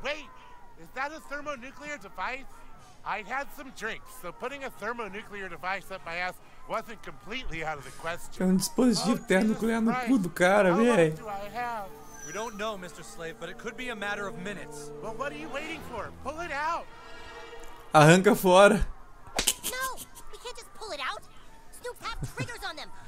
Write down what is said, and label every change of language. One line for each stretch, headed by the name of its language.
English: Wait, is that a thermonuclear device? I had some drinks, so putting a thermonuclear device up my ass wasn't completely out of the question.
Portuguese: É um dispositivo termonuclear no cu do cara, velho.
English: We don't know, Mr. Slave, but it could be a matter of minutes. Well, what are you waiting for? Pull it out.
Portuguese: Arranca fora.
English: No, we can't just pull it out. Snoops have triggers on them.